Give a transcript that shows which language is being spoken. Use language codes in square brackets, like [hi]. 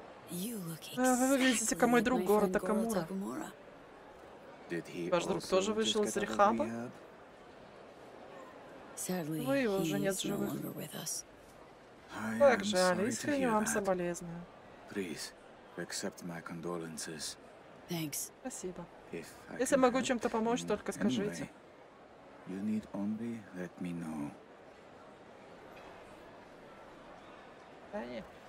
[ru] Вы выглядите как мой друг Гора Такамура. Ваш друг тоже вышел из рехаба? Вы его уже нет в живых. Так жаль, искренне вам соболезную. Пожалуйста, [en] accept my condolences. [ru] Спасибо. Если могу чем-то помочь, только скажите. [en] You need only let me know.